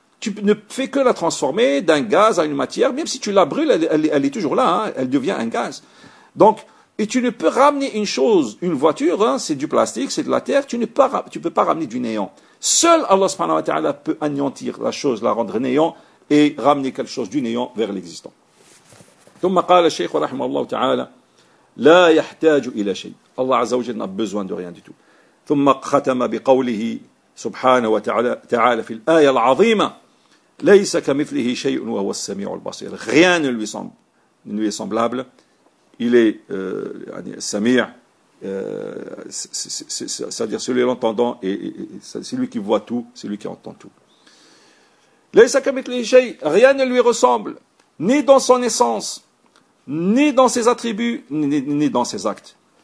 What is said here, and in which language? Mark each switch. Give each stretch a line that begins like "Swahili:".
French: Tu ne fais que la transformer d'un gaz à une matière, même si tu la brûles, elle est toujours là, hein, elle devient un gaz. Donc, et tu ne peux ramener une chose, une voiture, hein, c'est du plastique, c'est de la terre, tu ne peux pas ramener du néant. Seul Allah subhanahu wa ta'ala peut anéantir la chose, la rendre néant et ramener quelque chose du néant vers l'existant.
Arabic: ثم قال الشيخ رحمه الله تعالى لا يحتاج الى شيء.
French: Allah azza wa jalla n'a besoin de rien du tout.
Arabic: ثم ختم بقوله سبحانه وتعالى في الآية العظيمة ليس كمثله شيء وهو السميع البصير.
French: Rien ne lui semble semblable. Il est السميع. C'est-à-dire celui l'entendant et c'est lui qui voit tout, c'est lui qui entend tout.
Arabic: Laysa kamithlihi shay,
French: rien ne lui ressemble, ni dans son essence, ni dans ses attributs, ni dans ses actes.